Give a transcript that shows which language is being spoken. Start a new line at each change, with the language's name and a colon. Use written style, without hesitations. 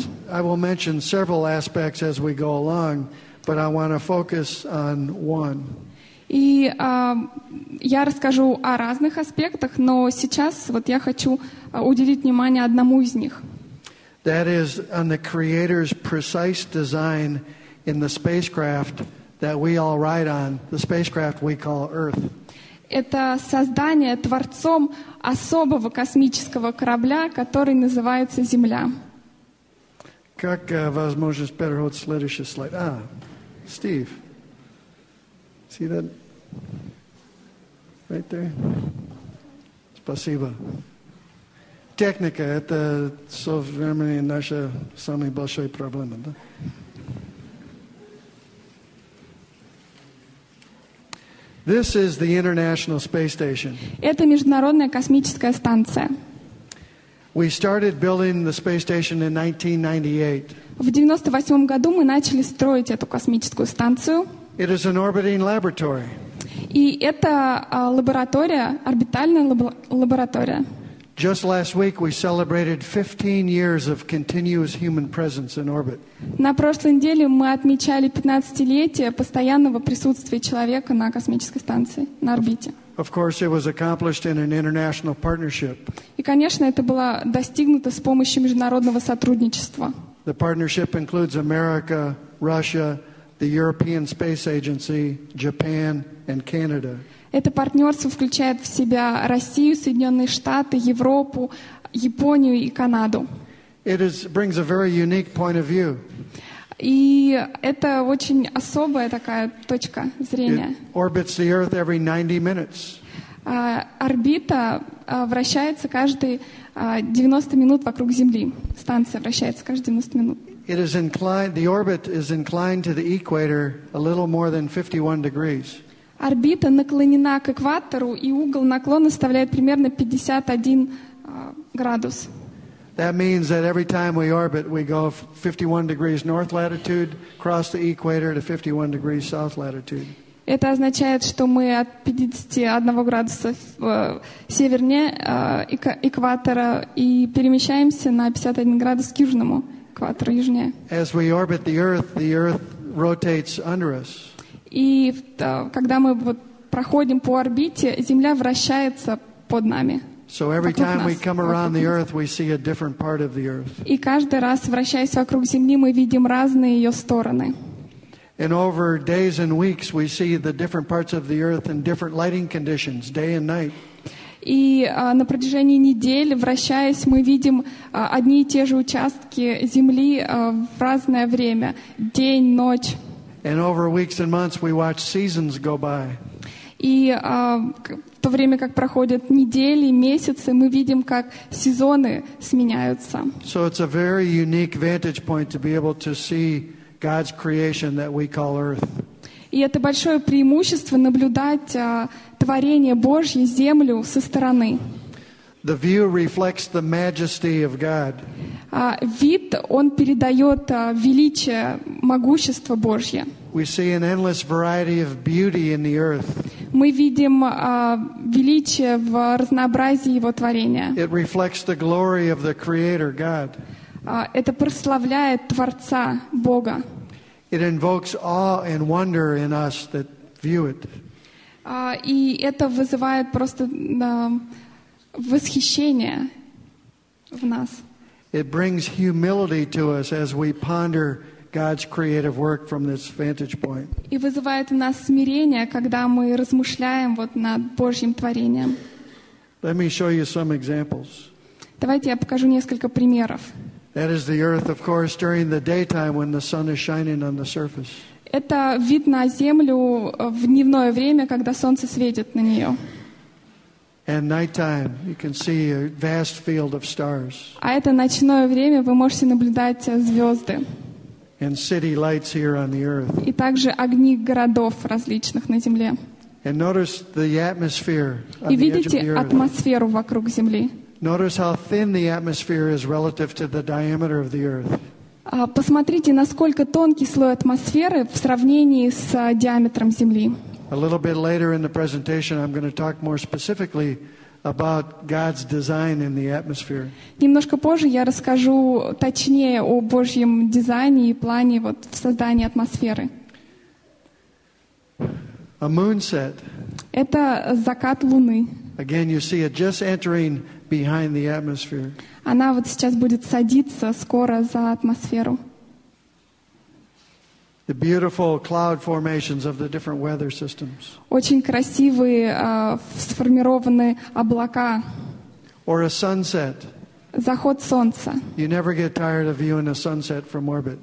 English: I will mention several aspects as we go along, but I want to focus on one.
Russian: И я расскажу о разных аспектах, но сейчас вот я хочу уделить внимание одному из них.
English: That is on the Creator's precise design in the spacecraft that we all ride on, the spacecraft we call Earth.
Russian: Это создание Творцом особого космического корабля, который называется Земля. Как возможно переход следующий слайд?
English: А, Стив. See that? Right there.
Russian: Спасибо. Техника — это со временем наша самая большая проблема, да?
English: This is the International Space Station.
Russian: Это международная космическая станция.
English: We started building the space station in 1998.
Russian: В 98 году мы начали строить эту космическую станцию.
English: It is an orbiting laboratory.
Russian: И это лаборатория, орбитальная лаборатория.
English: Just last week we celebrated 15 years of continuous human presence in orbit.
Russian: На прошлой неделе мы отмечали 15-летие постоянного присутствия человека на космической станции, на орбите.
English: Of course, it was accomplished in an international partnership.
Russian: И, конечно, это было достигнуто с помощью международного сотрудничества.
English: The partnership includes America, Russia, the European Space Agency, Japan, and Canada.
Russian: Это партнерство включает в себя Россию, Соединенные Штаты, Европу, Японию и Канаду.
English: It is, brings a very unique point of view.
Russian: И это очень особая такая точка зрения.
English: It orbits the Earth every 90 minutes.
Russian: Орбита вращается каждые 90 минут вокруг Земли. Станция вращается каждые 90 минут.
English: It is inclined, the orbit is inclined to the equator a little more than 51 degrees.
Russian: Орбита наклонена к экватору, и угол наклона составляет примерно 51 градус.
English: That means that every time we orbit, we go 51 degrees north latitude, cross the equator to 51 degrees south latitude.
Russian: Это означает, что мы от 51 градуса севернее экватора и перемещаемся на 51 градус к южному экватору, южнее.
English: As we orbit the Earth rotates under us.
Russian: И когда мы проходим по орбите, Земля вращается под нами.
English: So every time we come around the Earth, we see a different part of the Earth.
Russian: И каждый раз, вращаясь вокруг Земли, мы видим разные ее стороны.
English: And over days and weeks, we see the different parts of the Earth in different lighting conditions, day and night.
Russian: И на протяжении недель, вращаясь, мы видим одни и те же участки Земли в разное время, день, ночь.
English: And over weeks and months, we watch seasons go by.
Russian: И в то время, как проходят недели, месяцы, мы видим, как сезоны сменяются.
English: So it's a very unique vantage point to be able to see God's creation that we call Earth.
Russian: И это большое преимущество наблюдать творение Божье, Землю, со стороны.
English: The view reflects the majesty of God.
Russian: Вид, он передает величие, могущество Божье.
English: We see an endless variety of beauty in the earth.
Russian: Мы видим величие в разнообразии его творения.
English: It reflects the glory of the Creator God.
Russian: Это прославляет Творца Бога.
English: It invokes awe and wonder in us that view it.
Russian: И это вызывает просто восхищение в нас.
English: It brings humility to us as we ponder God's creative work from this vantage point.
Russian: И вызывает в нас смирение, когда мы размышляем вот над Божьим творением.
English: Let me show you some examples.
Russian: Давайте я покажу несколько примеров.
English: That is the Earth, of course, during the daytime when the sun is shining on the surface.
Russian: Это вид на Землю в дневное время, когда солнце светит на нее.
English: And nighttime, you can see a vast field of stars.
Russian: А это ночное время, вы можете наблюдать звезды.
English: And city lights here on the earth.
Russian: И также огни городов различных на Земле.
English: And notice the atmosphere on the edge of the earth.
Russian: Видите атмосферу вокруг Земли.
English: Notice how thin the atmosphere is relative to the diameter of the earth.
Russian: Посмотрите, насколько тонкий слой атмосферы в сравнении с диаметром Земли.
English: A little bit later in the presentation, I'm going to talk more specifically about God's design in the atmosphere.
Russian: Немножко позже я расскажу точнее о Божьем дизайне и плане вот в создании атмосферы.
English: A moonset.
Russian: Это закат луны.
English: Again, you see it just entering behind the atmosphere.
Russian: Она вот сейчас будет садиться скоро за атмосферу.
English: The beautiful cloud formations of the different weather systems.
Russian: Очень красивые сформированы облака.
English: Or a sunset.
Russian: Заход солнца.
English: You never get tired of viewing a sunset from orbit.